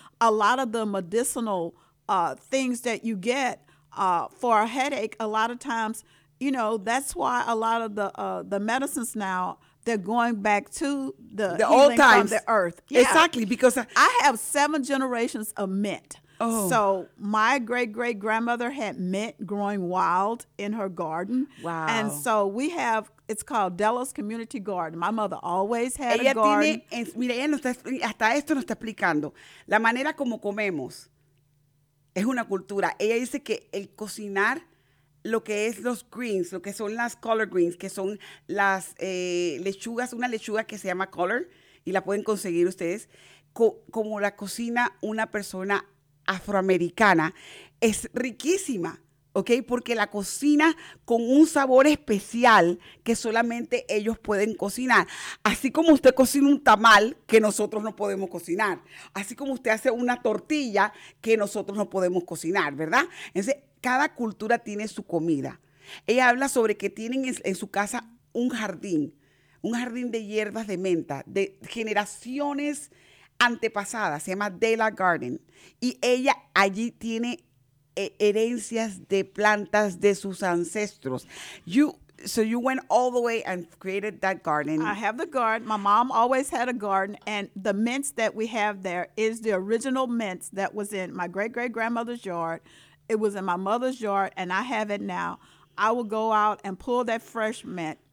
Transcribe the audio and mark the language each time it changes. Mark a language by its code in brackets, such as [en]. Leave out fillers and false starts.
[en] A lot of the medicinal things that you get for a headache, a lot of times, you know, that's why a lot of the medicines now, they're going back to the old times, from the earth. Yeah. Exactly, because I have seven generations of mint. Oh. So my great-great-grandmother had mint growing wild in her garden. Wow. And so we have, it's called Delos Community Garden. My mother always had [es] ella [en] a garden. [es] Ella tiene, mira, ella nos está, hasta esto nos está explicando. La manera como comemos es una cultura. Ella dice que el cocinar, lo que es los greens, lo que son las collard greens, que son las lechugas, una lechuga que se llama collard, y la pueden conseguir ustedes, como la cocina una persona afroamericana, es riquísima, ¿ok? Porque la cocina con un sabor especial que solamente ellos pueden cocinar. Así como usted cocina un tamal que nosotros no podemos cocinar. Así como usted hace una tortilla que nosotros no podemos cocinar, ¿verdad? Entonces, cada cultura tiene su comida. Ella habla sobre que tienen en su casa un jardín de hierbas de menta, de generaciones antepasadas, se llama Della Garden. Y ella allí tiene herencias de plantas de sus ancestros. [en] So you went all the way and created that garden. I have the garden. My mom always had a garden. And the mints that we have there is the original mints that was in my great-great-grandmother's yard. It was in my mother's yard, and I have it now. I will go out and pull that fresh mint.